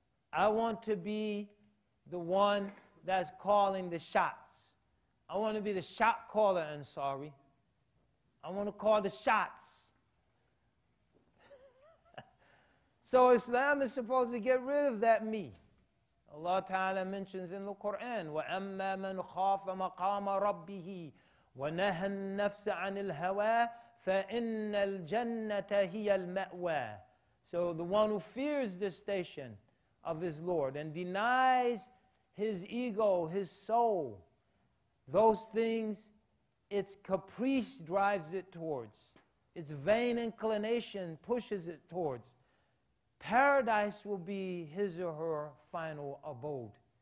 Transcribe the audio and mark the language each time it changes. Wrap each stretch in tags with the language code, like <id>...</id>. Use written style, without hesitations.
<en>I want to be the one that's calling the shots. I want to be the shot caller, Ansari. I want to call the shots. So Islam is supposed to get rid of that me. Allah Ta'ala mentions in the Quran,</en> <ar>وَأَمَّا مَنْ خَافَ مَقَامَ رَبِّهِ وَنَهَى النَّفْسَ عَنِ الْهَوَىٰ فَإِنَّ الْجَنَّةَ هِيَ الْمَأْوَىٰ.</ar> <en>So the one who fears the station of his Lord and denies his ego, his soul, those things its caprice drives it towards, its vain inclination pushes it towards, paradise will be his or her final abode.</en>